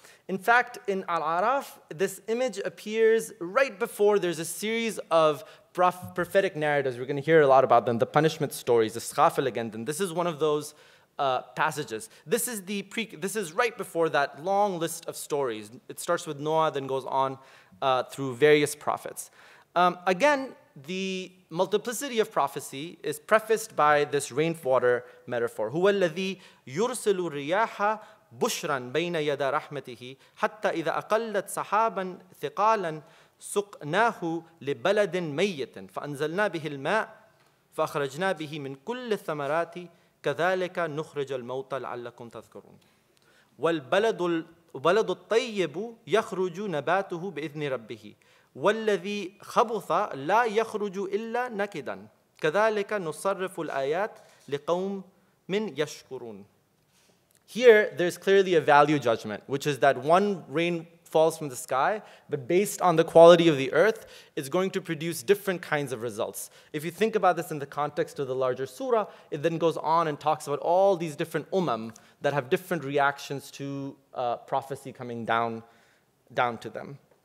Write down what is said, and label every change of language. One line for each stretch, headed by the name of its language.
English: In fact, in Al-A'raf, this image appears right before there's a series of prophetic narratives. We're going to hear a lot about them, the punishment stories, the Skhafil again. And this is one of those passages. This is right before that long list of stories. It starts with Noah, then goes on through various prophets. Again, the multiplicity of prophecy is prefaced by this rainwater metaphor.
Arabic: هو الذي يرسل الرياح بشرا بين يدا رحمته حتى إذا أقلت سحابا ثقالا سقناه لبلد ميت فأنزلنا به الماء فأخرجنا به من كل الثمرات كذلك نخرج الموتى لعلكم تذكرون والبلد الطيب يخرج نباته بإذن ربه والذي خبث لا يخرج إلا نكدا كذلك نصرف الآيات لقوم من يشكرون.
English: Here, there's clearly a value judgment, which is that one rain falls from the sky, but based on the quality of the earth, it's going to produce different kinds of results. If you think about this in the context of the larger surah, it then goes on and talks about all these different umam that have different reactions to prophecy coming down to them.